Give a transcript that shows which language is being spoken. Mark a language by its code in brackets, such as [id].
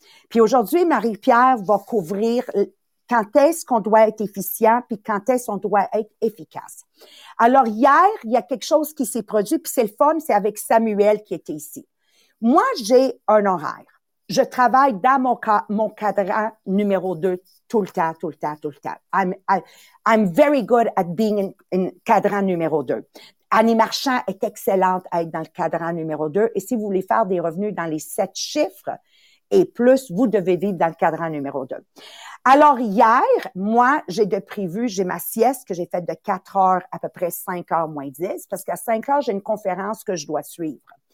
[fr] Puis aujourd'hui, Marie-Pierre va couvrir quand est-ce qu'on doit être efficient puis quand est-ce qu'on doit être efficace. Alors hier, il y a quelque chose qui s'est produit puis c'est le fun, c'est avec Samuel qui était ici. Moi, j'ai un horaire. Je travaille dans mon cadran numéro 2 tout le temps, tout le temps, tout le temps. [en] I'm very good at being in cadran numéro 2. [fr] Annie Marchand est excellente à être dans le cadran numéro 2 et si vous voulez faire des revenus dans les 7 chiffres, et plus, vous devez vivre dans le cadran numéro 2. Alors, hier, moi, j'ai ma sieste que j'ai faite de 4 heures, à peu près 5 heures moins 10, parce qu'à 5 heures, j'ai une conférence que je dois suivre.